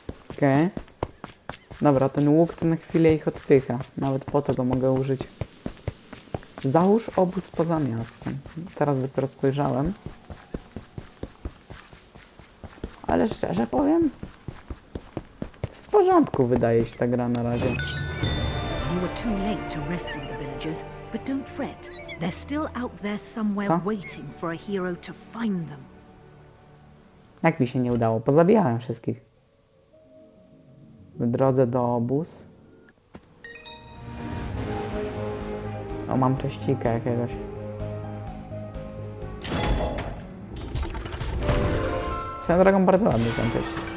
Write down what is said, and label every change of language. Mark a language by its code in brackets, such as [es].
[pl] Okej. Okay. Dobra, ten łuk to na chwilę ich odpycha. Nawet po to go mogę użyć. Załóż obóz poza miastem. Teraz dopiero spojrzałem. Ale szczerze powiem... W porządku wydaje się ta gra na razie. [en] You were too late to rescue the villagers, but don't fret. They're still out there somewhere waiting for a hero to find them. [pl] Jak mi się nie udało? Pozabijałem wszystkich. W drodze do obóz. O, mam cześcika jakiegoś. Swoją drogą bardzo ładnie tam cześć.